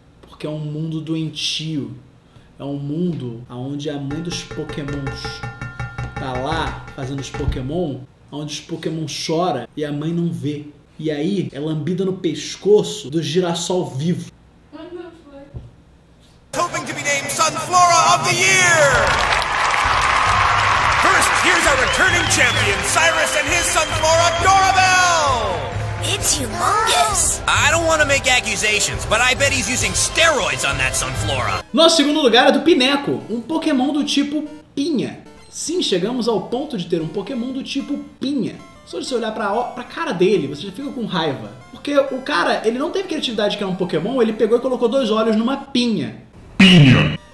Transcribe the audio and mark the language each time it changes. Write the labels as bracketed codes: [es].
[pt] Porque é um mundo doentio. É um mundo onde há muitos pokémons. Tá lá, fazendo os pokémon, onde os pokémon choram e a mãe não vê. E aí, é lambida no pescoço do girassol vivo. [en] Hoping to be named Sunflora of the Year! First, here's our returning champion, Cyrus and his Sunflora, Dorabelle! It's humongous! I don't want to make accusations, but I bet he's using steroids on that Sunflora. [pt] Nosso segundo lugar é do Pineco, um pokémon do tipo pinha. Sim, chegamos ao ponto de ter um pokémon do tipo pinha. Só de você olhar pra cara dele, você já fica com raiva. Porque o cara, ele não teve criatividade que era um pokémon, ele pegou e colocou dois olhos numa pinha. Pinha!